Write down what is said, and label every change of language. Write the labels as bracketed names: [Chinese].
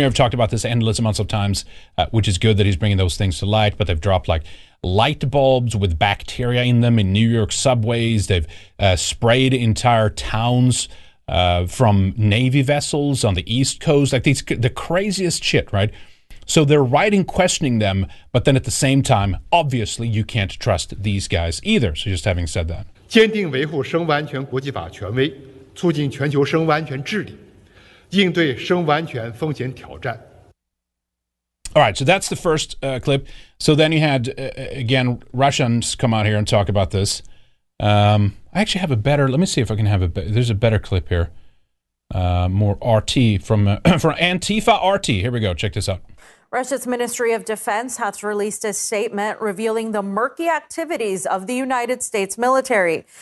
[English] have talked about this endless amounts of times, which is good that he's bringing those things to light, but they've dropped like light bulbs with bacteria in them in New York subways. They've sprayed entire towns from Navy vessels on the East Coast, like these, the craziest shit, right? So they're right in questioning them, but then at the same time, obviously you can't trust these guys either. So just having said that. [Chinese] 坚定维护生物安全国际法权威, 促进全球生物安全治理，应对生物安全风险挑战。 [English] All right, so that's the first clip. So then you had, again, Russians come out here and talk about this. I actually have a better, let me see if I can have a better, there's a better clip here. More RT from Antifa RT. Here we go, check this out. Russia's Ministry of Defense has released a statement revealing the murky activities of the United States military.